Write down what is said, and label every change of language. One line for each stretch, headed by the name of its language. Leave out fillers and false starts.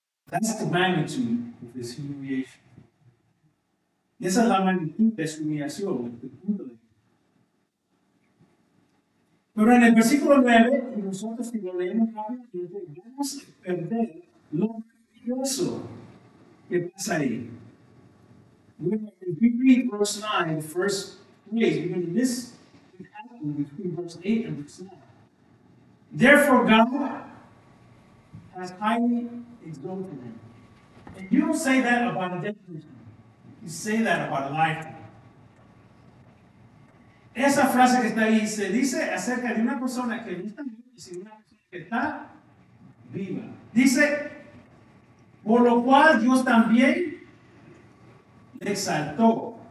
English: That's the magnitude of this humiliation.
Spanish: Y esa es la magnitud de su humillación, desde el punto de vista. Pero en el versículo 9, y nosotros si lo leemos rápidamente, vamos a perder lo maravilloso que pasa ahí.
English: When we read verse 9, the first phrase, we're going to miss what happened between verse 8 and verse 9. Therefore, God has highly exalted him. And you don't say that about a dead person. You say that about a life.
Spanish: Esa frase que está ahí se dice acerca de una persona que no está viva, sino una persona que está viva. Dice, por lo cual Dios también le exaltó.